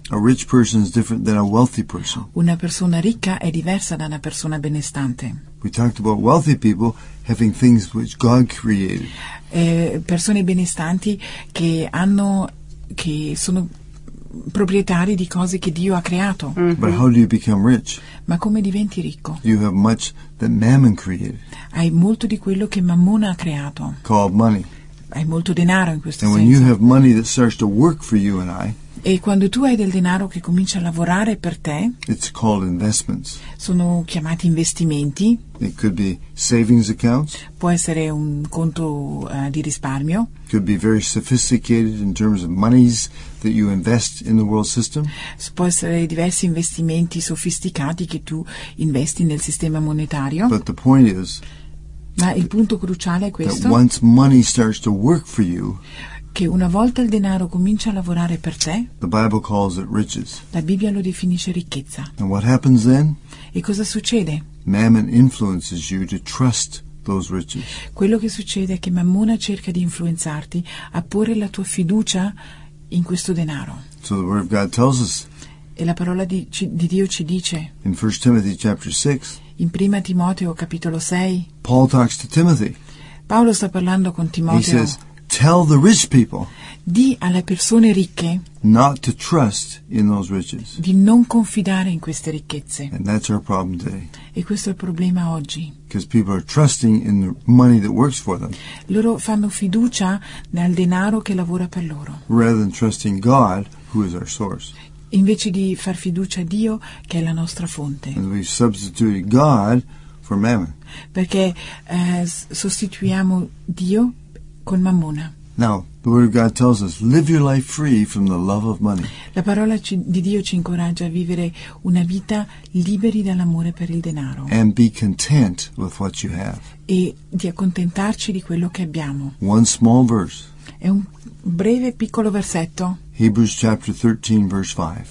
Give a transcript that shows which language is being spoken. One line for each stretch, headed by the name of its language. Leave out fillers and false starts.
English: A rich person is different than a wealthy person.
Italian: Una persona ricca è diversa da una persona benestante.
English: We talked about wealthy people having things which God created.
Italian: Persone benestanti che sono proprietari di cose che Dio ha creato.
English: Mm-hmm. But how do you become rich?
Italian: Ma come diventi ricco?
English: You have much that Mammon created.
Italian: Hai molto di quello che Mammona ha creato.
English: Called money.
Italian: Hai molto denaro in questo senso.
English: And when you have money that starts to work for you and I.
Italian: E quando tu hai del denaro che comincia a lavorare per te.
English: It's called investments.
Italian: Sono chiamati investimenti.
English: It could be savings accounts.
Italian: Può essere un conto di risparmio.
English: Could be very sophisticated in terms of monies that you invest in the world system.
Italian: Può essere diversi investimenti sofisticati che tu investi nel sistema monetario.
English: But the point is.
Italian: Ma il punto cruciale è questo.
English: That once money starts to work for you.
Italian: Che una volta il denaro comincia a lavorare per te.
English: The Bible calls it riches.
Italian: La Bibbia lo definisce ricchezza.
English: And what happens then?
Italian: E cosa succede?
English: Mammon influences you to trust those riches.
Italian: Quello che succede è che Mammona cerca di influenzarti a porre la tua fiducia in questo denaro.
English: So the word of God tells us.
Italian: E la parola di Dio ci dice.
English: In 1 Timothy chapter 6.
Italian: In Prima Timoteo capitolo 6.
English: Paul talks to Timothy.
Italian: Paolo sta parlando con Timoteo.
English: He says, tell the rich people.
Italian: Di alle persone ricche.
English: Not to trust in those riches.
Italian: Di non confidare in queste ricchezze.
English: And that's our problem today.
Italian: E questo è il problema oggi.
English: Because people are trusting in the money that works for them.
Italian: Loro fanno fiducia nel denaro che lavora per loro.
English: Rather than trusting God. who is our source.
Italian: Invece di far fiducia a Dio, che è la nostra fonte.
English: And we substitute God for Mammon.
Italian: Perché sostituiamo Dio con Mammona.
English: Now, the Word of God tells us, live your life free from the love of money.
Italian: La parola di Dio ci incoraggia a vivere una vita liberi dall'amore per il denaro.
English: And be content with what you have.
Italian: E di accontentarci di quello che abbiamo.
English: One small verse.
Italian: È un breve piccolo versetto.
English: Hebrews chapter 13, verse 5.